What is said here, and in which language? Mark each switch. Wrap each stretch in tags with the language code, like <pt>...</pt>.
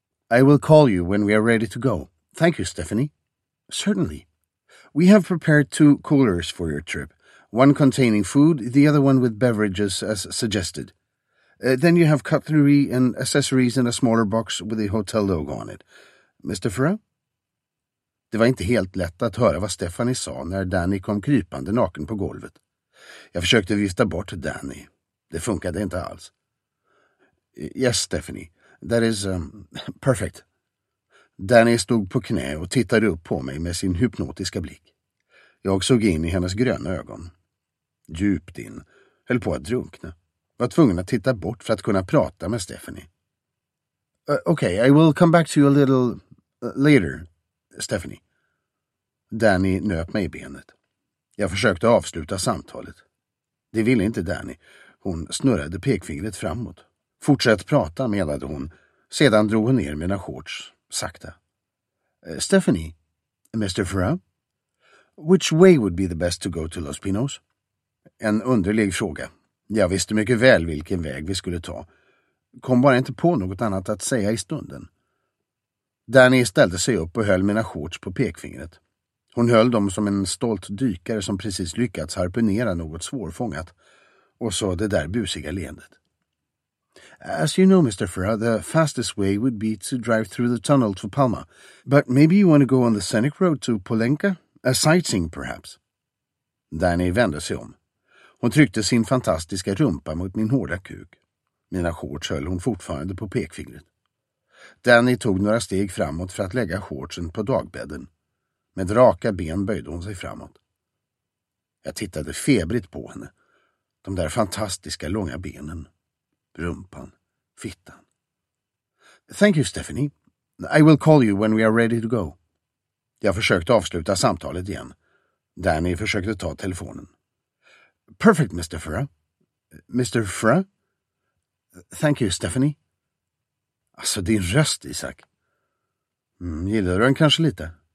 <en>I will call you when we are ready to go. Thank you, Stephanie. Certainly. We have prepared two coolers for your trip. One containing food, the other one with beverages, as suggested. Then you have cutlery and accessories in a smaller box with a hotel logo on it. Mr. Ferrat?</en> <sv>Det var inte helt lätt att höra vad Stephanie sa när Danny kom krypande naken på golvet. Jag försökte vifta bort Danny. Det funkade inte alls.</sv> <en>Yes, Stephanie. That is perfect.</en> <sv>Danny stod på knä och tittade upp på mig med sin hypnotiska blick. Jag såg in i hennes gröna ögon. Djupt in, höll på att drunkna. Var tvungen att titta bort för att kunna prata med Stephanie.</sv> <en>Okay, I will come back to you a little later, Stephanie.</en> <sv>Danny nöp mig i benet. Jag försökte avsluta samtalet. Det ville inte Danny. Hon snurrade pekfingret framåt. Fortsätt prata, menade hon. Sedan drog hon ner mina shorts, sakta. Stephanie, Mr.</sv> <en>Ferrat, which way would be the best to go to Los Pinos?</en> <sv>En underlig fråga. Jag visste mycket väl vilken väg vi skulle ta. Kom bara inte på något annat att säga i stunden. Danny ställde sig upp och höll mina shorts på pekfingret. Hon höll dem som en stolt dykare som precis lyckats harpunera något svårfångat. Och så det där busiga leendet.</sv> <en>As you know, Mr. Ferrat, the fastest way would be to drive through the tunnel to Palma. But maybe you want to go on the scenic road to Polenka? A sightseeing, perhaps?</en> <sv>Danny vände sig om. Hon tryckte sin fantastiska rumpa mot min hårda kuk. Mina shorts höll hon fortfarande på pekfingret. Danny tog några steg framåt för att lägga shortsen på dagbädden. Med raka ben böjde hon sig framåt. Jag tittade febrigt på henne. De där fantastiska långa benen. Rumpan. Fittan.</sv> <en>Thank you, Stephanie. I will call you when we are ready to go.</en> <sv>Jag försökte avsluta samtalet igen. Danny försökte ta telefonen.</sv> <en>Perfect, Mr. Ferrat. Mr. Ferrat? Thank you, Stephanie.</en> <sv>Alltså, din röst, Isaac. Gillar du den kanske lite?</sv>